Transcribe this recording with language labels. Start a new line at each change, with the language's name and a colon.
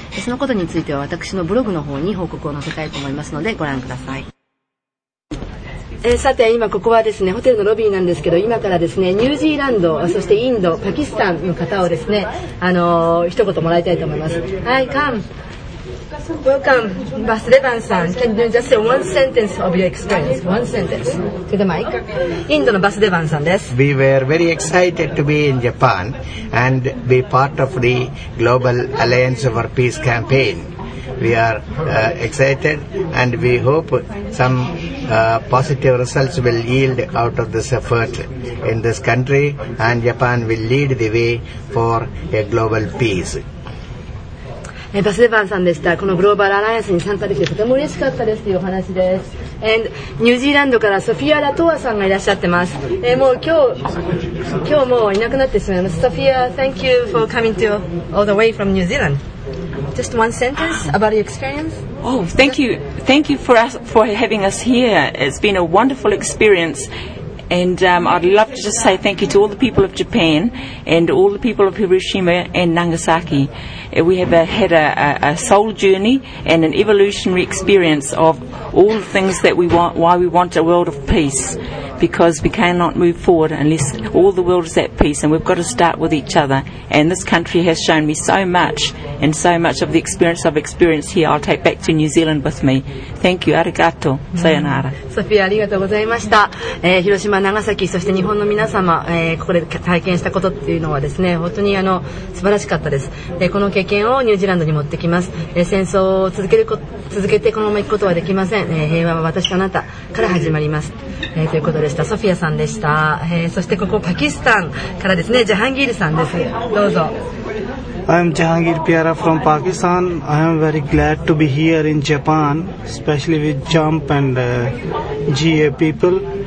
Japanese: そのことについては私のブログの方に報告を載せたいと思いますのでご覧ください。さて今ここはですね、ホテルのロビーなんですけど、今からですね、ニュージーランド、そしてインド、パキスタンの方をですね、一言もらいたいと思います。はい、カム。
English: Welcome, Basudevan-san. Can you just say one sentence of your experience? One sentence to the mic.
Japanese: Indo no Basudevan-san desu.
English: We were very excited to be in Japan and be part of the Global Alliance for Peace campaign. We are excited and we hope some positive results will yield out of this effort in this country, and Japan will lead the way for a global peace.
Japanese: バスデバンさんでした。このグローバルアライアンスに参加できてとても嬉しかったですというお話です。 And ニュージーランドからソフィア・ラトワさんがいらっしゃってます。もう今日もういなくなってしまいます。
English: ソフィア、 Thank you for coming to all the way from New Zealand. Just one sentence about your experience. Oh, thank you for having us here. It's been a wonderful experienceAnd I'd love to just say thank you to all the people of Japan and all the people of Hiroshima and Nagasaki. We have had a soul journey and an evolutionary experience of all the things that we want, why we want a world of peace. Because we cannot move forward unless all the world is at peace, and we've got to start with each other. And this country has shown me so much, and so much of the experience I've experienced here I'll take back to New Zealand with me. Thank you.
Japanese: Arigato. Sayonara. Sophia, ありがとうございました。広島、長崎、そして日本の皆様、ここで体験したことっていうのはですね、本当に素晴らしかったです。この経験をニュージーランドに持ってきます。戦争を続けてこのまま行くことはできません。平和は私とあなたから始まります。ということでした。ソフィアさんでした。そしてここパキスタンからですね、ジャハンギールさんです。どうぞ。
English: I'm Jahangir Piara from Pakistan. I am very glad to be here in Japan, especially with JUMP and GA people.